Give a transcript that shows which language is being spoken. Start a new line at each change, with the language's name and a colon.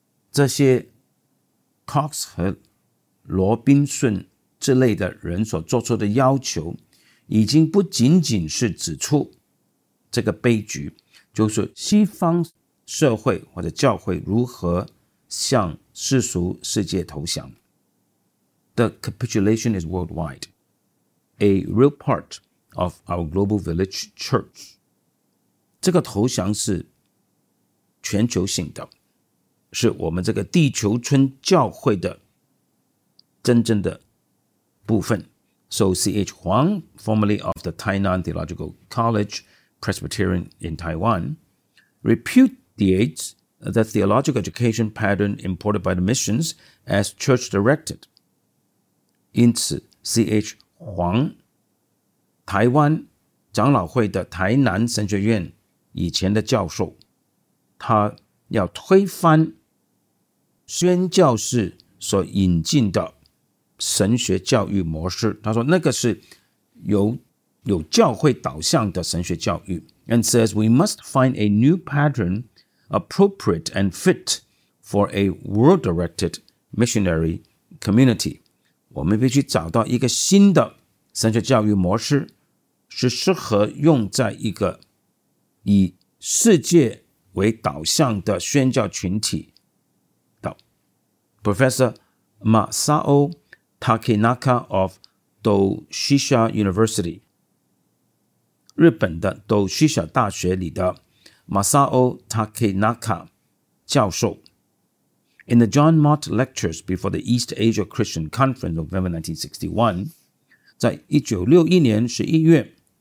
Chinese: 这些 Cox 和罗宾逊之类的人所做出的要求，已经不仅仅是指出这个悲剧，就是西方社会或者教会如何向世俗世界投降。
English: The capitulation is worldwide, a real part of our global village church.
Chinese: 这个投降是全球性的，是我们这个地球村教会的真正的部分。
English: So C.H. Huang, formerly of the Tainan Theological College Presbyterian in Taiwan, repudiates the theological education pattern imported by the missions as church directed.
Chinese: 因此 C.H. Huang, 台湾长老会的台南神学院以前的教授，他要推翻宣教士所引进的神学教育模式，他说那个是有教会导向的神学教育。
English: And says we must find a new pattern appropriate and fit for a world-directed missionary community.
Chinese: 我们必须找到一个新的神学教育模式，是适合用在一个以世界为导向的宣教群体的。
English: Professor Masao Takenaka of Doshisha University,
Chinese: 日本的 Doshisha 大学里的 Masao Takenaka 教授，
English: In the John Mott Lectures before the East Asia Christian Conference November 1961,
Chinese: 在1961年11月